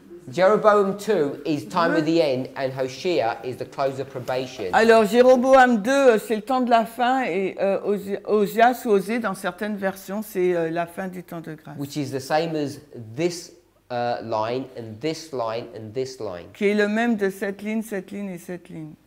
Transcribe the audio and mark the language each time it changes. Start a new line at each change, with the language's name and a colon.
English: Jeroboam 2 is time of the end and Hoshea is the close of probation.
French: Alors Jéroboam 2 c'est le temps de la fin et Ozias ou Osée dans certaines versions c'est la fin du temps de grâce.
English: Which is the same as this line and this line and this line.
French: Qui est le même de cette ligne et cette ligne.